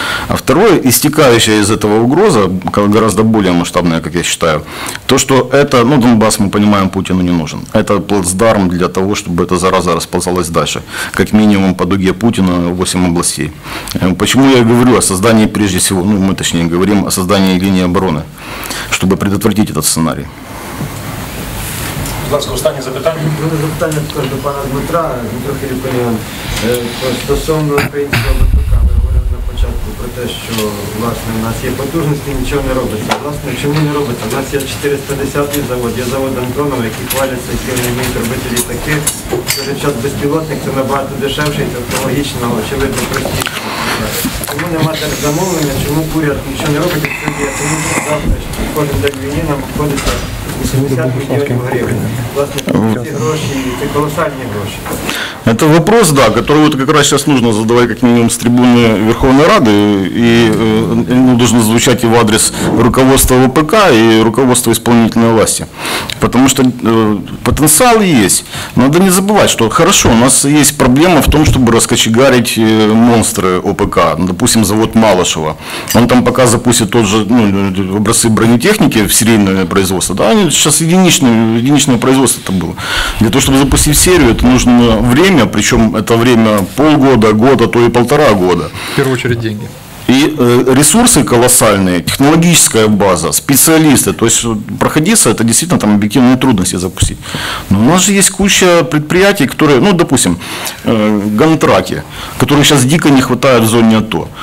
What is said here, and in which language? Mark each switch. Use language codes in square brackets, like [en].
[ru] А второе, истекающая из этого угроза, гораздо более масштабная, как я считаю, то, что это, ну, Донбасс, мы понимаем, Путину не нужен. Это плацдарм для того, чтобы эта зараза расползалась дальше. Как минимум по дуге Путина 8 областей. Почему я говорю о создании, прежде всего, ну, мы точнее говорим о создании линии обороны, чтобы предотвратить этот сценарий. [uk] Останнє запитання також до пана Дмитра, трохи рівпинян. Стосовно українського БПК, ми говорили на початку про те, що власне, у нас є потужності, нічого не робиться. Власне, чому не робиться? У нас є 450-й завод, є завод «Антонов», який хваляться, який вони вміють робити літаки. Через час безпілотник, це набагато дешевше і технологічно, очевидно, простіше. Чому нема так замовлення, чому уряд нічого не робить, як сьогодні, тому що завтра, що кожен день війни нам обходиться 80 мільйонів гривень. Власне, ці гроші, це колосальні гроші. Це питання, так, який от якраз зараз потрібно задавати, як мінімум, з трибуни Верховної Ради, і воно має звучати в адрес руководства ВПК і руководства виконавчої влади. Тому що потенціал є. Треба не забувати, що, хорошо, у нас є проблема в тому, щоб розкочегарити монстри ОПК. Допустимо, завод Малышева. Він там поки запустить той же, ну, образці бронетехніки в серійне производство, да? [ru] Сейчас единичное производство это было. Для того, чтобы запустить серию, это нужно время, причем это время полгода, года, то и полтора года. В первую очередь деньги. И ресурсы колоссальные, технологическая база, специалисты. То есть проходиться, это действительно там объективные трудности запустить. Но у нас же есть куча предприятий, которые, ну, допустим, гантраки, которые сейчас дико не хватает в зоне АТО.